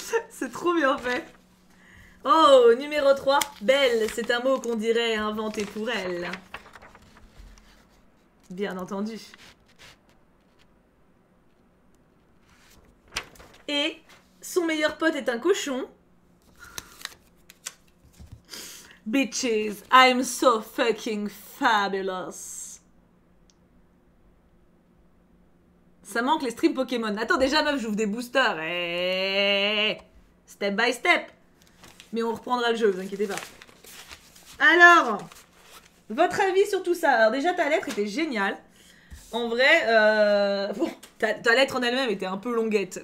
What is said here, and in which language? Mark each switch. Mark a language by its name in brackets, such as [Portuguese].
[French] C'est trop bien fait. Oh, numéro 3. Belle, c'est un mot qu'on dirait inventé pour elle. Bien entendu. Et son meilleur pote est un cochon. [English] Bitches, I'm so fucking fabulous. [French] Ça manque les streams Pokémon. Attends, déjà, meuf, j'ouvre des boosters. [English] Hey, step by step. [French] Mais on reprendra le jeu, vous inquiétez pas. Alors, votre avis sur tout ça. Alors, déjà, ta lettre était géniale. En vrai, bon, ta lettre en elle-même était un peu longuette.